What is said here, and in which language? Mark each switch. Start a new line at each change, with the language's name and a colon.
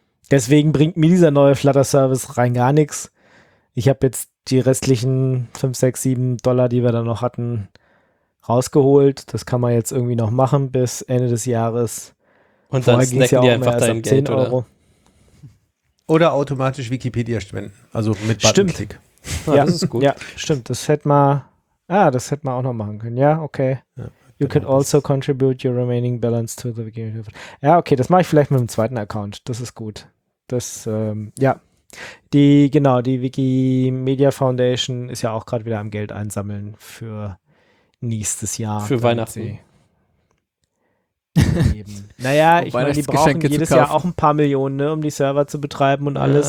German: Deswegen bringt mir dieser neue Flutter-Service rein gar nichts. Ich habe jetzt die restlichen $5, $6, $7, die wir dann noch hatten, rausgeholt. Das kann man jetzt irgendwie noch machen bis Ende des Jahres. Und vorher dann snacken ja die einfach dein 10 Geld, Euro. Oder automatisch Wikipedia spenden, also mit Button-Klick. Stimmt. Ja, das ist gut. Ja, stimmt. Das hätte man auch noch machen können. Ja, okay. Ja,
English: you could also contribute your remaining balance to the Wikipedia.
German: Ja, okay, das mache ich vielleicht mit dem zweiten Account. Das ist gut. Das, die Wikimedia Foundation ist ja auch gerade wieder am Geld einsammeln für nächstes Jahr. Für Weihnachten. Naja, ich meine, die brauchen jedes Jahr auch ein paar Millionen, ne, um die Server zu betreiben und alles.